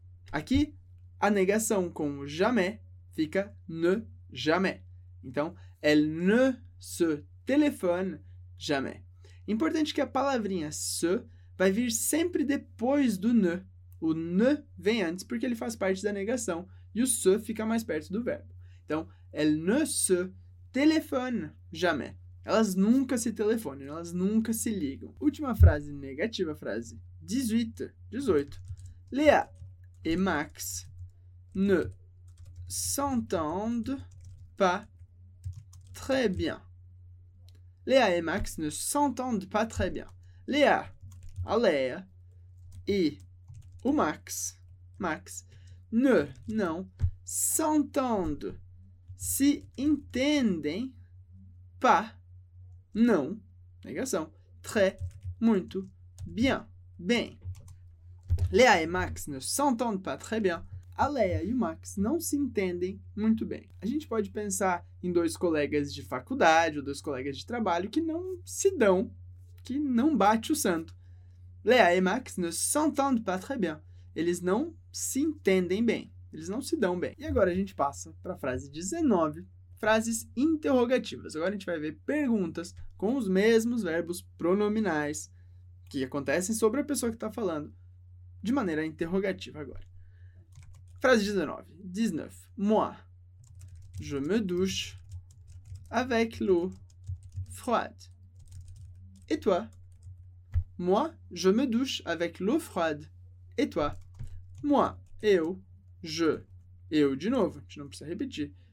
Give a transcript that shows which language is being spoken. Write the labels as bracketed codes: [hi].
[pt] Aqui, a negação com jamais fica ne, jamais, então, [fr] elle ne se téléphone, jamais. [pt] Importante que a palavrinha se vai vir sempre depois do ne. O ne vem antes porque ele faz parte da negação e o se fica mais perto do verbo. [fr] Então, elle ne se téléphone jamais. [pt] Elas nunca se telefonam, elas nunca se ligam. Última frase negativa, frase 18. [fr] Léa et Max ne s'entendent pas très bien. Léa et Max ne s'entendent pas très bien. [pt] Lia, a Leia e o Max, não s'entendem, se entendem, pas, não, negação, très, muito, bien, bem. [fr] Léa e Max ne s'entendent pas très bien. [pt] A Léa e o Max não se entendem muito bem. A gente pode pensar em dois colegas de faculdade ou dois colegas de trabalho que não se dão, que não bate o santo. [fr] Léa e Max ne s'entendent pas très bien. [pt] Eles não se entendem bem. Eles não se dão bem. E agora a gente passa para a frase 19, frases interrogativas. Agora a gente vai ver perguntas com os mesmos verbos pronominais que acontecem sobre a pessoa que está falando. De maneira interrogativa agora. Frase 19. 19. [fr] Moi, je me douche avec l'eau froide. Et toi? Moi, je me douche avec l'eau froide. Et toi? [pt] Moi, eu, je, eu de novo, a gente não precisa repetir.